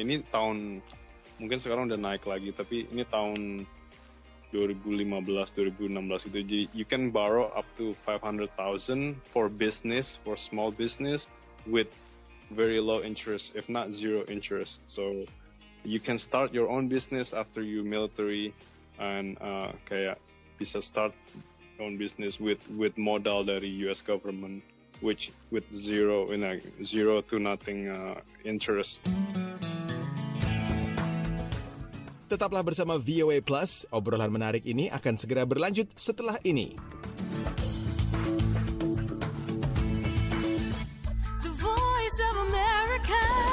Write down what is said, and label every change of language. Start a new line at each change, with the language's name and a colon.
Indonesian: Ini tahun, mungkin sekarang udah naik lagi, tapi ini tahun 2015-2016 gitu.
English: Jadi you can borrow up to 500,000 for business, for small business with very low interest, if not zero interest. So you can start your own business after you military and
Indonesian: kayak bisa
English: start own business with
Indonesian: modal dari
English: US government. which with zero to nothing interest.
Indonesian: Tetaplah bersama VOA Plus. Obrolan menarik ini akan segera berlanjut setelah ini.
English: The Voice of America.